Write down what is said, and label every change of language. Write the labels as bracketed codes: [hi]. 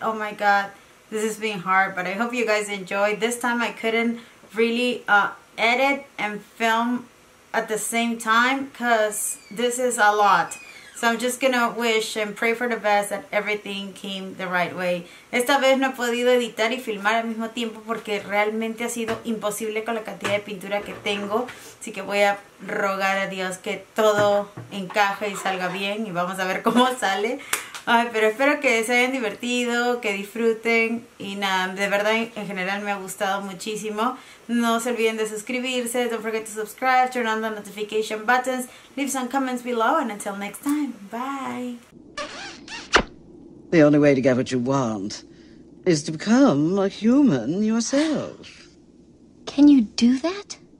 [en] Oh my god, this is being hard, but I hope you guys enjoyed. This time I couldn't really edit and film at the same time because this is a lot. So I'm just gonna wish and pray for the best that everything came the right way. [es] Esta vez no he podido editar y filmar al mismo tiempo porque realmente ha sido imposible con la cantidad de pintura que tengo. Así que voy a rogar a Dios que todo encaje y salga bien y vamos a ver cómo sale. Ay, pero espero que se hayan divertido, que disfruten y nada, de verdad en general me ha gustado muchísimo. No se olviden de suscribirse, [en] don't forget to subscribe, turn on the notification buttons, leave some comments below and until next time, bye. The only way to get what you want is to become a human yourself. Can you do that?